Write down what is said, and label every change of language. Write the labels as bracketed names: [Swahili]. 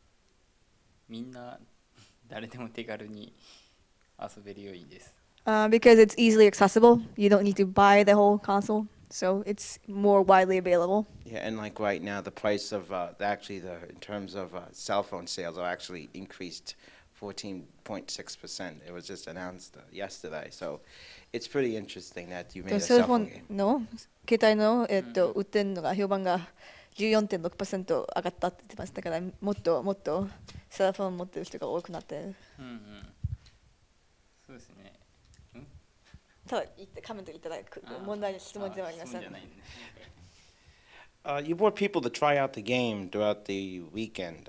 [Japanese] 割とみんな誰でも手軽に [English] Because it's easily accessible. You don't need to buy the whole console, so it's more widely available. Yeah, and like right now, the price of in terms of cell phone sales are actually increased 14.6%. It was just announced yesterday, so it's pretty interesting that you made a cell phone game. [Japanese] No, 携帯の売ってんのが評判が 14.6% 上がったって言ってましたから もっともっとセルフォン持ってる人が多くなって。 [English] You brought people to try out the game throughout the weekend.